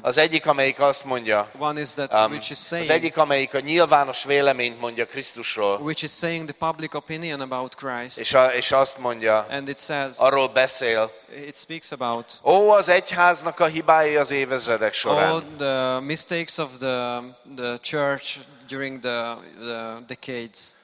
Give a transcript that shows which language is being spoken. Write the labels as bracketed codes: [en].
[hu] Az egyik, amelyik azt mondja. [en] One is that which is saying. [hu] Az egyik, amelyik a nyilvános véleményt mondja Krisztusról. [en] Which is saying the public opinion about Christ. [hu] És azt mondja. [en] And it says. [hu] Arról beszél. [en] It speaks about. [hu] Ó, az egyháznak a hibái az évezredek során. [en] All the mistakes of the church during the decades.